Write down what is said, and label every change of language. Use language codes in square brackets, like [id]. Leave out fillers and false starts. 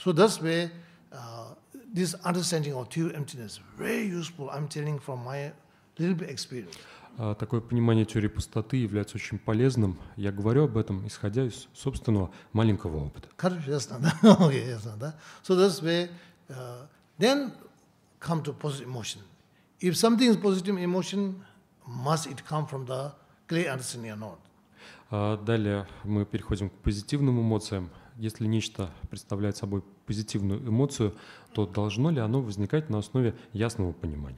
[en] So that's where this understanding of theory of emptiness very useful, I'm telling from my little bit experience. [ru] Такое понимание теории пустоты является очень полезным. Я говорю об этом, исходя из собственного маленького опыта. Хорошо, ясно, да? Okay, ясно, да? [en] So that's where then come to positive emotion. If something is positive emotion, must it come from the clear understanding or not? [ru] Далее мы переходим к позитивным эмоциям. Если нечто представляет собой позитивную эмоцию, то должно ли оно возникать на основе ясного понимания?